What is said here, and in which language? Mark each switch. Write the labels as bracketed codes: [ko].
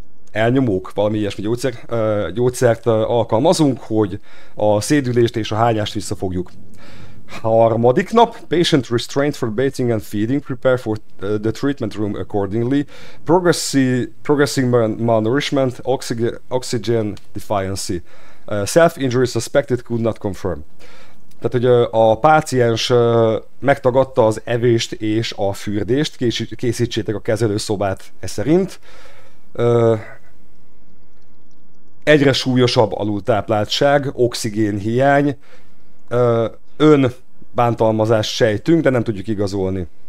[hu] Elnyomók, valami ilyesmi gyógyszert alkalmazunk, hogy a szédülést és a hányást visszafogjuk. Harmadik nap, [en] patient restrained for bathing and feeding, prepare for the treatment room accordingly, progressing malnourishment, oxygen deficiency, self-injury suspected, could not confirm. [hu] Tehát, hogy a páciens megtagadta az evést és a fürdést, készítsétek a kezelőszobát e szerint. Egyre súlyosabb alultápláltság, oxigén hiány, önbántalmazást sejtünk, de nem tudjuk igazolni.